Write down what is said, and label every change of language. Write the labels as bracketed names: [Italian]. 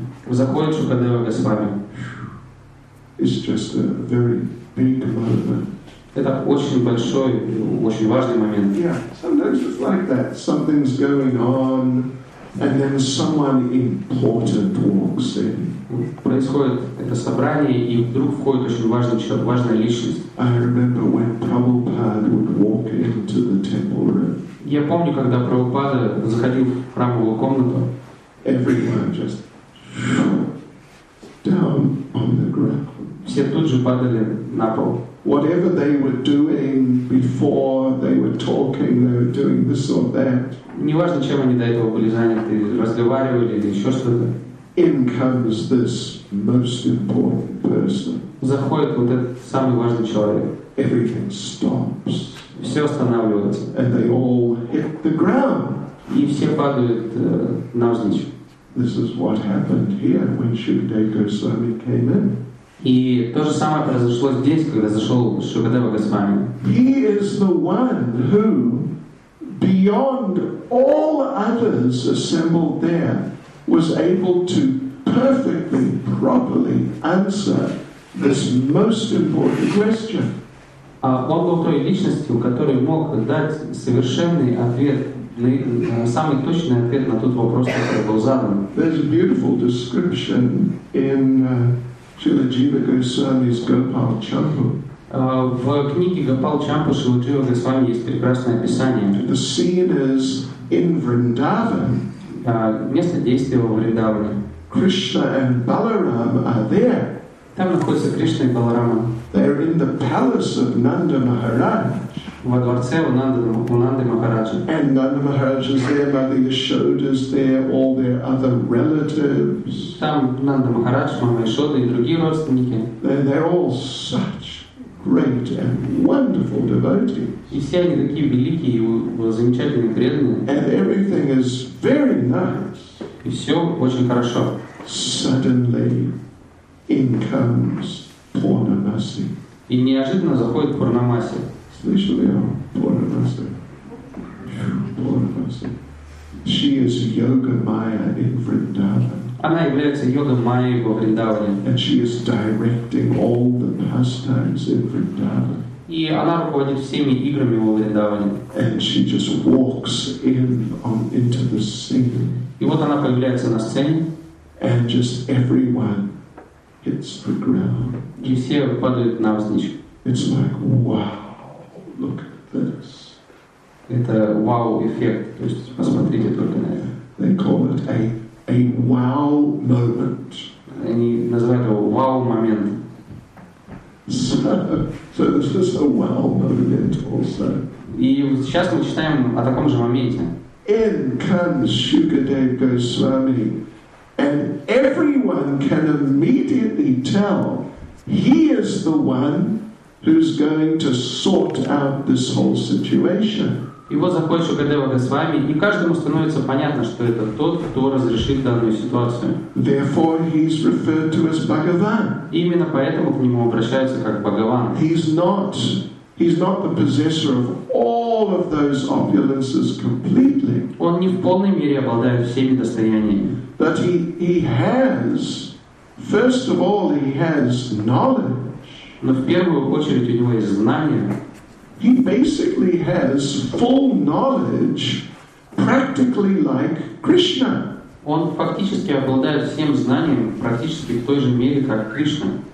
[Russian] Заходит Шукадева Госвами. [English] It's just a very big moment. [Russian] Это очень большой, очень важный момент. [English] Yeah, sometimes it's like that. Something's going on, and then someone important walks in. [Russian] Происходит это собрание, и вдруг входит очень важный человек, важная личность. [English] I remember when Prabhupada would walk into the temple room. [Russian] Я помню, когда Прабхупада заходил в храмовую комнату. [English] Everyone just down on the ground. [Russian] Все тут же падали на пол. [English] Whatever they were doing before, they were talking, they were doing this or that. [Russian] Неважно, чем они до этого были заняты, разговаривали или еще что-то. [English] In comes this most important person. [Russian] Заходит вот этот самый важный человек. [English] Everything stops. [Russian] Все останавливается. [English] And they all hit the ground. [Russian] И все падают навзничь. [English] This is what happened here when Shukadeva Goswami came in. [Russian] И то же самое произошло здесь, когда зашел Шукадева Госвами. [English] He is the one who, beyond all others assembled there, was able to perfectly, properly answer this most important question. [Russian] Он был той личностью, который мог дать совершенный ответ, самый точный ответ на тот вопрос, который был задан. [English] There's a beautiful description in Śrīla Jīva Gosvāmī's Gopāla Champu. [Russian] В книге Гопал Чампу Śrīla Jīva Gosvāmī есть прекрасное описание. [English] The scene is in Vrindavan. [Russian] Место действия во Вриндаване. [English] Krishna and Balarama are there. [Russian] Там находятся Кришна и Баларама. [English] They're in the palace of Nanda Maharaj. [Russian] Во дворце у Нанды Махараджи. [English] And Nanda Maharaj is there, Mother Yashoda is there, all their other relatives. [Russian] Там Нанда Махарадж, Мама Яшода и другие родственники. [English] And they're all such great and wonderful devotees. [Russian] И все они такие великие и замечательные преданные. [English] And everything is very nice. [Russian] И все очень хорошо. [English] Suddenly, in comes Purnamasi. [Russian] И неожиданно заходит Пурнамаси. [English] Especially our Purnamasi. Purnamasi. She is Yoga Maya in Vrindavan. [Russian] Она является Йога Майей во Вриндаване. [English] And she is directing all the pastimes in Vrindavan. [Russian] И она руководит всеми играми во Вриндаване. [English] And she just walks in on into the scene. [Russian] И вот она появляется на сцене. [English] And just everyone hits the ground. [Russian] И все падают навзничь. [English] It's like, wow. Look at this. [Russian] Это вау эффект. То есть посмотрите только на это. [English] They call it a wow moment. [Russian] Они называют его вау момент. [English] So this is a wow moment also. [Russian] И сейчас мы читаем о таком же моменте. [English] In comes Shukadev Goswami, and everyone can immediately tell he is the one who's going to sort out this whole situation. [Russian] И вот заходит Шукадева Госвами, и каждому становится понятно, что это тот, кто разрешит данную ситуацию. [English] Therefore he's referred to as Bhagavan. [Russian] Именно поэтому к нему обращаются как Бхагаван. [English] He's not the possessor of all of those opulences completely. [Russian] Он не в полной мере обладает всеми достояниями. [English] But he has, first of all, he has knowledge. [Russian] Но в первую очередь у него есть знания. [English] He basically has full knowledge, practically like Krishna. [Russian] Он фактически обладает всем знанием практически в той же мере, как Кришна.